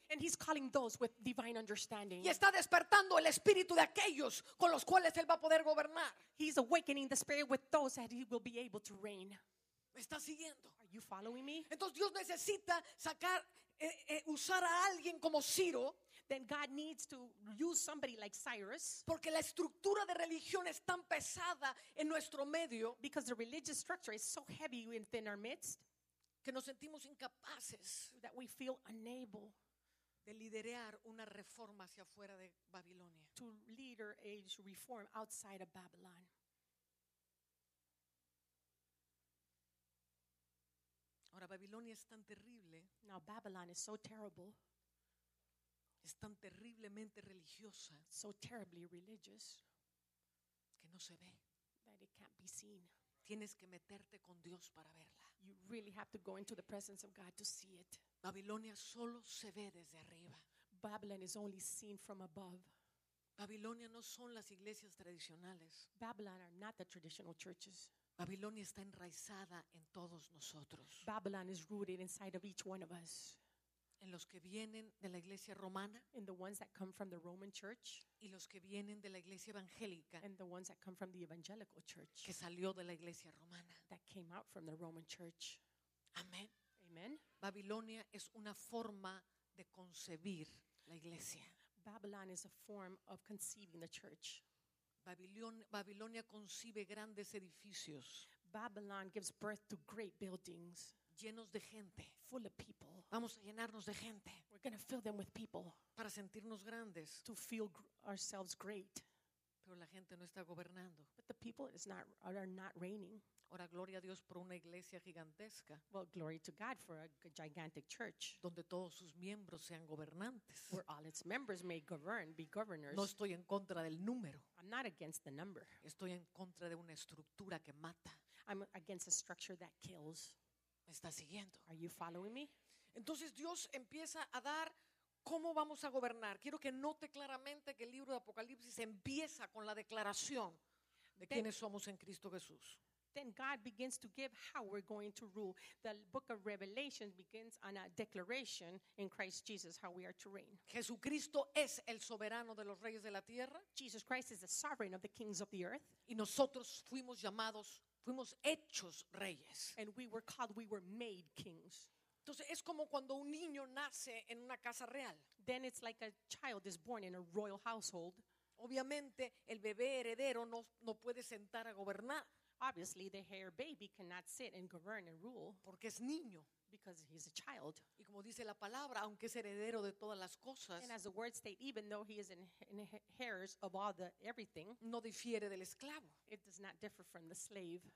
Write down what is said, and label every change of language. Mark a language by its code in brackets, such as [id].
[en] And he's calling those with divine understanding. [es] Y está despertando el espíritu de aquellos con los cuales él va a poder gobernar. [en] He's awakening the spirit with those that he will be able to reign. [es] ¿Me está siguiendo? [en] Are you following me? [es] Entonces Dios necesita sacar, usar a alguien como Ciro. [en] Then God needs to use somebody like Cyrus. [es] Porque la estructura de religión es tan pesada en nuestro medio. [en] Because the religious structure is so heavy within our midst. [es] Que nos sentimos incapaces. [en] That we feel unable. [es] De liderar una reforma hacia afuera de Babilonia. [en] To lead a reform outside of Babylon. [es] Ahora Babilonia es tan terrible. [en] Now Babylon is so terrible. [es] Es tan terriblemente religiosa. [en] So terribly religious. [es] Que no se ve. [en] That it can't be seen. [es] Tienes que meterte con Dios para verla. [en] You really have to go into the presence of God to see it. [es] Babilonia solo se ve desde arriba. [en] Babylon is only seen from above. [es] Babilonia no son las iglesias tradicionales. [en] Babylon are not the traditional churches. [es] Babilonia está enraizada en todos nosotros. [en] Babylon is rooted inside of each one of us. [es] En los que vienen de la iglesia romana. [en] In the ones that come from the Roman church. [es] Y los que vienen de la iglesia evangélica. [en] And the ones that come from the evangelical church. [es] Que salió de la iglesia romana. [en] That came out from the Roman church. [es] Amén. [en] Amen. [es] Babilonia es una forma de concebir la iglesia. [en] Babylon is a form of conceiving the church. [es] Babilonia concibe grandes edificios. [en] Babylon gives birth to great buildings. [es] Llenos de gente. [en] Full of people. [es] Vamos a llenarnos de gente. [en] We're going to fill them with people. [es] Para sentirnos grandes. [en] To feel ourselves great. [es] Pero la gente no está gobernando. [en] But the people are not reigning. [es] Ahora gloria a Dios por una iglesia gigantesca. [en] Well, glory to God for a gigantic church. [es] Donde todos sus miembros sean gobernantes. [en] Where all its members may govern, be governors. [es] No estoy en contra del número. [en] I'm not against the number. [es] Estoy en contra de una estructura que mata. [en] I'm against a structure that kills. [es] ¿Me está siguiendo? [en] Are you following me? [es] Entonces Dios empieza a dar cómo vamos a gobernar. Quiero que note claramente que el libro de Apocalipsis empieza con la declaración de quiénes somos en Cristo Jesús. [en] Then God begins to give how we're going to rule. The book of Revelation begins on a declaration in Christ Jesus how we are to reign. [es] Jesucristo es el soberano de los reyes de la tierra. [en] Jesus Christ is the sovereign of the kings of the earth. [es] Y nosotros fuimos llamados, fuimos hechos reyes. [en] And we were called, we were made kings. [es] Entonces es como cuando un niño nace en una casa real. [en] Then it's like a child is born in a royal household. [es] Obviamente el bebé heredero no puede sentar a gobernar. [en] obviously the hair baby cannot sit and govern and rule. [es] Porque es niño. [en] Because he's a child. [es] Y como dice la palabra, aunque es heredero de todas las cosas, [en] and as the word state, even though he is inheritor of all the everything, [es] no difiere del esclavo. [en] It does not differ from the slave.